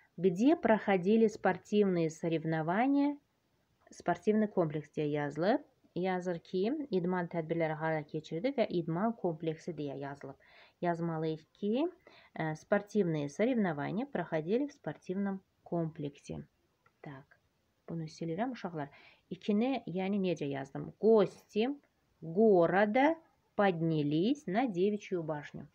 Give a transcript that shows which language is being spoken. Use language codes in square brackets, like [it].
[ru] Где проходили спортивные соревнования? [az] Спортивный комплекс deyə yazılıb. Yazır ki, idman tədbirləri hara keçirdi və idman kompleksi deyə yazılıb. Yazmalıyıq ki, [ru] спортивные соревнования проходили в спортивном комплексе. [az] Так. Bunu silirəm uşaqlar. İkini, yəni necə yazdım? [ru] Гости города поднялись на девичью башню.